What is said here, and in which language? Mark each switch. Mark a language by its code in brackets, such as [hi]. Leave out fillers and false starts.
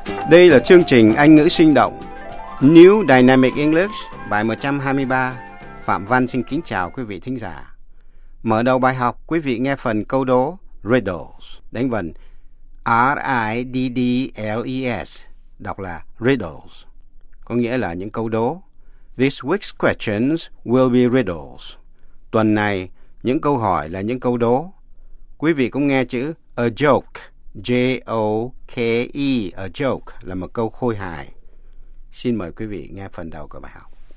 [vi] Đây là chương trình Anh ngữ sinh động New Dynamic English bài 123. Phạm Văn xin kính chào quý vị thính giả. Mở đầu bài học, quý vị nghe phần câu đố Riddles, đánh vần R-I-D-D-L-E-S, đọc là Riddles, có nghĩa là những câu đố. [en] This week's questions will be riddles. [vi] Tuần này, những câu hỏi là những câu đố. Quý vị cũng nghe chữ a joke, J-O-K-E, a joke, là một câu khôi hài. Xin mời quý vị nghe phần đầu của bài học.